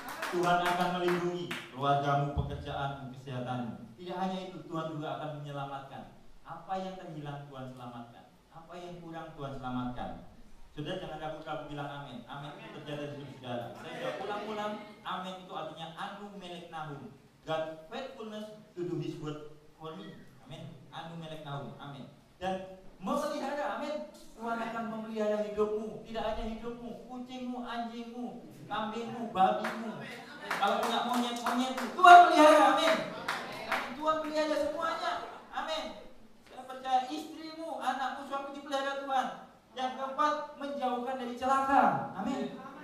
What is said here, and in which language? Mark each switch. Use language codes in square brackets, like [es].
[id] Tuhan akan melindungi keluargamu, pekerjaanmu, kesehatanmu. Tidak hanya itu, Tuhan juga akan menyelamatkan. Apa yang terhilang, Tuhan selamatkan. Apa yang kurang, Tuhan selamatkan. Sudah, jangan ragu-ragu bilang amin. Amin itu terjadi di hidup saudara. Saya sudah pulang-pulang, amin itu artinya anu melek nahum. [en] God faithfulness to do his word for me. [id] Amin. Anu melek nahum. Amin. Dan memelihara, amin. Tuhan akan memelihara hidupmu. Tidak hanya hidupmu, kucingmu, anjingmu, kambingmu, babimu. Kalau punya monyet, Tuhan pelihara, amin. Tuhan pelihara semuanya, amin. Saya percaya istrimu, anakmu, suami dipelihara Tuhan. Yang keempat, menjauhkan dari celaka, amin.